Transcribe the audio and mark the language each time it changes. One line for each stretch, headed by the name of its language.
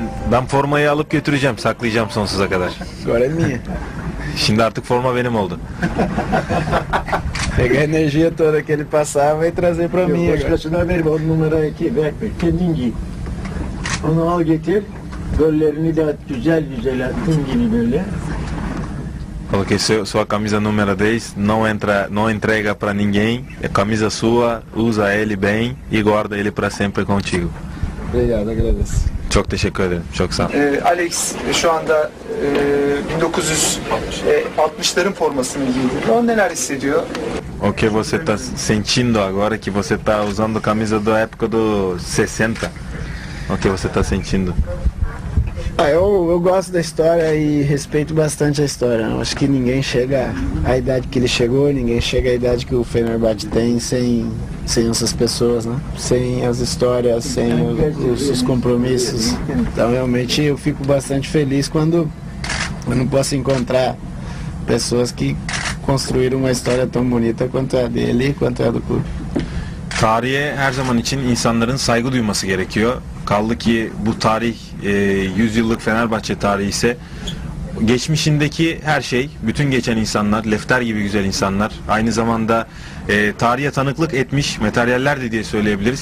Turkish: Ben formayı alıp götüreceğim. Saklayacağım sonsuza kadar. Şimdi artık forma benim oldu.
Portuguese: Pegar a energia toda que ele passava e trazer pra mim. Eu acho que não é número aqui, velho.
Turkish: Kendin giy. Onu al getir. Gollerini de at güzel güzel attın gibi böyle.
Portuguese: Ok, sua camisa número 10 não entrega para ninguém. É camisa sua, usa ele bem e guarda ele para sempre contigo. Obrigado, agradeço.
Turkish: Çok teşekkür ederim. Çok sağ ol. Alex şu anda 1960'ların formasını giydi. O neler hissediyor?
Portuguese: O que você está sentindo agora que você está usando camisa da época do 60? O que você está sentindo? Ah, eu gosto da história e respeito bastante a história. Eu acho que ninguém chega à idade que ele chegou, ninguém chega à idade que o Fenerbahçe tem sem essas pessoas, né? Sem as histórias, sem os compromissos. Então, realmente, eu fico bastante feliz quando eu não posso encontrar pessoas que construíram uma história tão bonita quanto a dele, quanto a do clube.
Turkish: Tarihe her zaman için insanların saygı duyması gerekiyor. Kaldı ki bu tarih, 100 yıllık Fenerbahçe tarihi ise geçmişindeki her şey, bütün geçen insanlar, Lefter gibi güzel insanlar, aynı zamanda tarihe tanıklık etmiş materyaller de diye söyleyebiliriz.